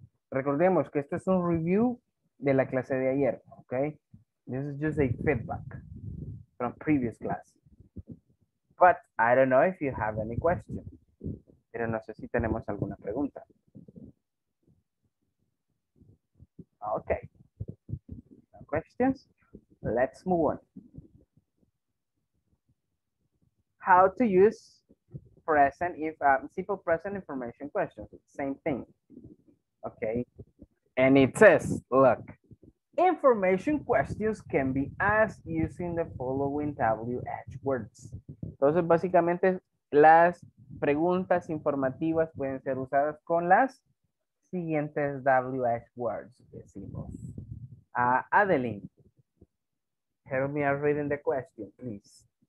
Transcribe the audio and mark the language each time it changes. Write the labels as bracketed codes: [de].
[es] Recordemos que esto es un review de la clase de ayer, ¿ok? [en] This is just a feedback from previous class. But I don't know if you have any question. [es] Pero no sé si tenemos alguna pregunta. [en] Ok. No questions. Let's move on. How to use present if simple present information questions. Same thing. Ok. And it says, look. Information questions can be asked using the following WH words. [es] Entonces, básicamente, las preguntas informativas pueden ser usadas con las siguientes WH words, decimos. [en] Adeline, help me out reading the question, please.